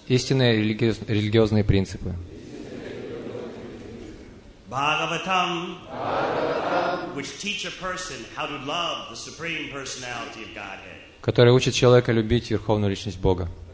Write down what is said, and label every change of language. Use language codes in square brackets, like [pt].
[ru] Истинные религиозные принципы. [en] Bhagavatam, Bhagavatam, which teach a person how to love the Supreme Personality of Godhead. [ru] Которая учит человека любить верховную личность Бога.